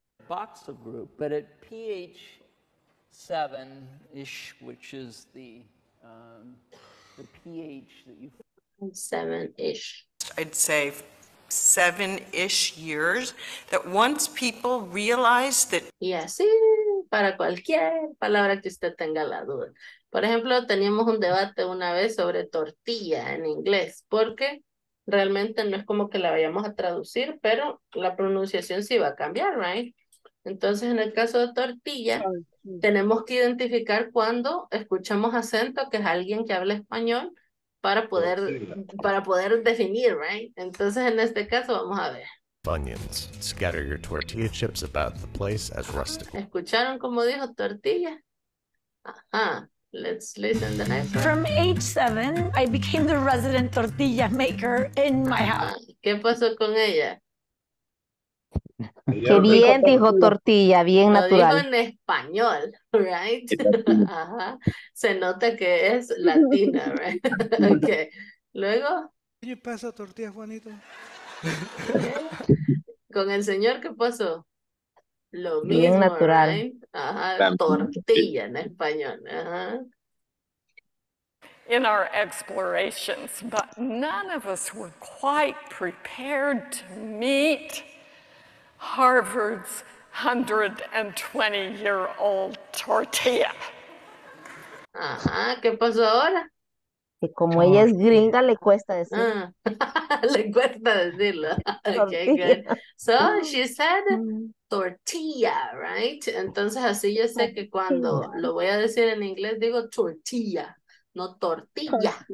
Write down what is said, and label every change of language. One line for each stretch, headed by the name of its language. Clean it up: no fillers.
English: Boxer group, but at pH 7-ish, which is the... the pH that you... Seven-ish. I'd say seven-ish years, that once people realize that...
Spanish: Y así, para cualquier palabra que usted tenga la duda. Por ejemplo, teníamos un debate una vez sobre tortilla en inglés, porque realmente no es como que la vayamos a traducir, pero la pronunciación sí va a cambiar, right? Entonces, en el caso de tortilla, tenemos que identificar cuando escuchamos acento, que es alguien que habla español, para poder definir, right? Entonces, en este caso, vamos a ver.
English: Funyuns, scatter your tortilla chips about the place as rustic.
Spanish: ¿Escucharon cómo dijo tortilla? Ajá.
English: Let's listen the next one. From age 7, I became the resident tortilla maker in my house.
Spanish: ¿Qué pasó con ella? Qué bien dijo tortilla, bien lo natural. Lo dijo en español, right? Ajá. Se nota que es latina, right? Okay. Luego. ¿Qué pasa, tortilla, Juanito? Con el señor, ¿qué pasó? Lo mismo, bien natural. Right? Ajá. Tortilla en español. Ajá.
English: In our explorations, but none of us were quite prepared to meet Harvard's 120-year-old tortilla.
Spanish: Ajá, ¿qué pasó ahora? Que como ella es gringa, le cuesta decirlo. Le cuesta decirlo.
English: Okay, good. So, she said tortilla, right?
Spanish: Entonces, así yo sé que cuando lo voy a decir en inglés, digo tortilla, no tortilla.